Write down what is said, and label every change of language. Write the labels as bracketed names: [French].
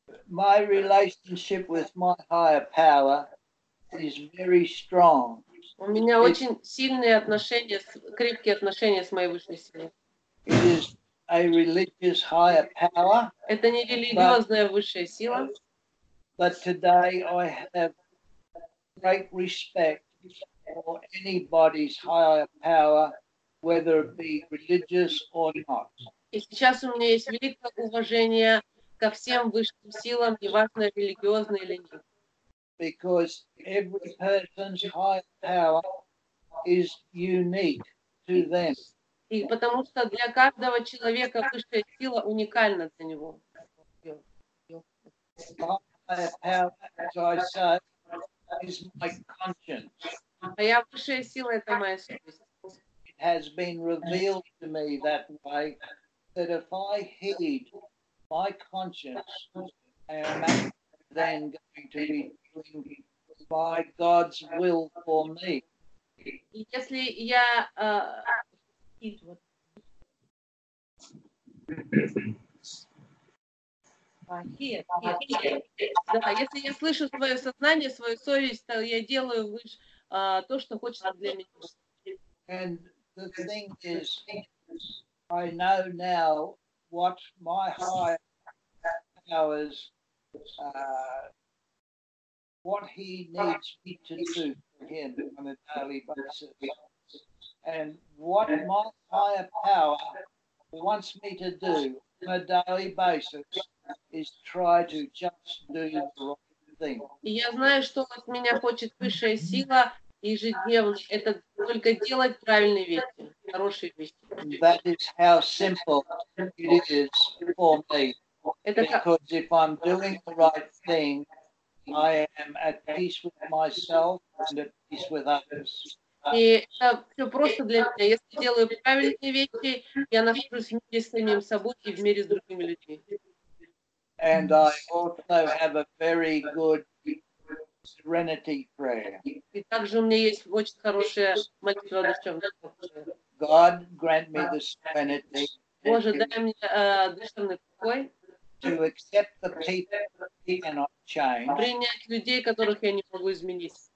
[English] My relationship with my higher power is very strong. [Russian] У меня очень сильные отношения, крепкие отношения с моей высшей силой. [English] It is a religious higher power. [Russian] Это не религиозная высшая сила. [English] But today I have great respect for anybody's higher power, whether it be religious or not. [Russian] И сейчас у меня есть великое уважение ко всем высшим силам, неважно религиозные или нет. [English] Because every person's higher power is unique to them. [Russian] И потому что для каждого человека высшая сила уникальна для него. [English] My power, as I said, is my conscience. [Russian] Моя высшая сила — это моя совесть. [English] It has been revealed to me that way, that if I heed my conscience, I am then going to be doing by God's will for me. [Russian] Если я если я слышу свое сознание, свою совесть, то я делаю то, что хочется для меня. [English] And the thing is, I know now what my higher powers, what he needs me to do for him on a daily basis. And what my higher power wants me to do on a daily basis is try to just do the right thing. [Russian] Я знаю, что от меня хочет высшая сила ежедневно. Это только делать правильные вещи, хорошие вещи. [English] That is how simple it is for me. Because if I'm doing the right thing, I am at peace with myself and at peace with others. [Russian] И это все просто для меня. Если я делаю правильные вещи, я нахожусь в мире с самим собой и в мире с другими людьми. [English] And I also have a very good serenity prayer. [Russian] И также у меня есть очень хорошая молитва о душевных покоях. [English] God grant me the serenity. [Russian] Боже, дай мне душевный покой. [English] To accept the people I cannot change. [Russian] Принять людей, которых я не могу изменить.